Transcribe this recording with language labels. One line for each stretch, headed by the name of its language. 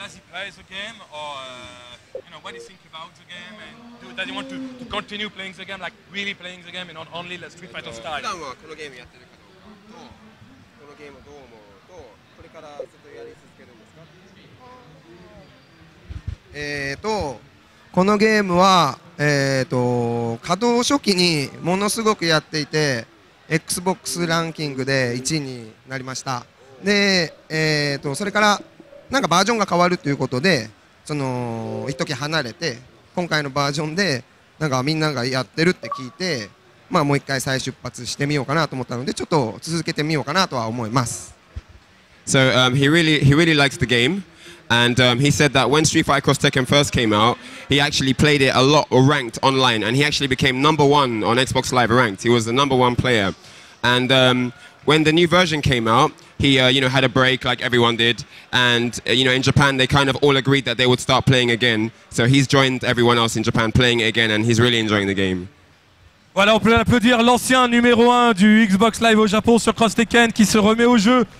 English: does he play the game, or you know, what do you think about the game, and does he want to continue playing the game, like really playing the game, and not only the Street Fighter style?
Japanese: 普段はこのゲームやってるけど、どう？このゲームどう思う？どう？これからずっとやり続けるんですか？このゲームは稼働初期にものすごくやっていて、Xbox ランキングで1位になりました。で、それからなんかバージョンが変わるということで、その一時離れて、今回のバージョンでなんかみんながやってるって聞いて、まあもう一回再出発してみようかなと思ったので、ちょっと続けてみようかなとは思います。
English: So, he really likes the game. And he said that when Street Fighter Cross Tekken first came out, he actually played it a lot ranked online, and he actually became number one on Xbox Live ranked. He was the number one player. And when the new version came out, he you know, had a break like everyone did. And you know, in Japan, they kind of all agreed that they would start playing again. So he's joined everyone else in Japan playing it again, and he's really enjoying the game.
French: Voilà, on peut applaudir l'ancien numéro 1 du Xbox Live au Japon sur Cross Tekken qui se remet au jeu